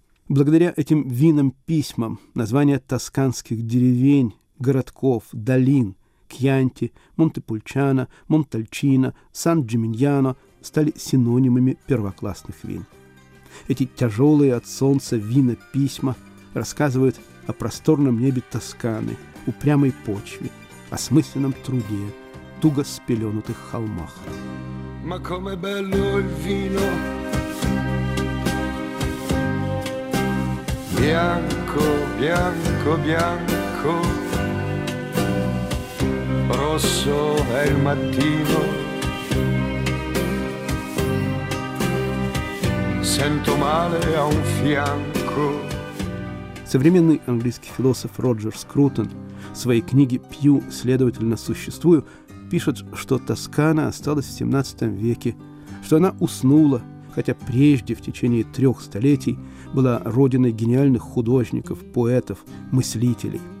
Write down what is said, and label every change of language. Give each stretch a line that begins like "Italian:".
Russian: Благодаря этим винам-письмам названия тосканских деревень, городков, долин – Кьянти, Монтепульчано, Монтальчино, Сан-Джиминьяно – стали синонимами первоклассных вин. Эти тяжелые от солнца вина-письма рассказывают о просторном небе Тосканы, упрямой почве, о смысленном труде, туго спеленутых холмах.
Italian: Ma come bello il vino, bianco, bianco, bianco, rosso è il mattino, sento male a un fianco.
Russian: Современный английский философ Роджер Скрутон в своей книге «Пью, следовательно, существую» пишет, что Тоскана осталась в 17 веке, что она уснула, хотя прежде, в течение 3 столетий, была родиной гениальных художников, поэтов, мыслителей.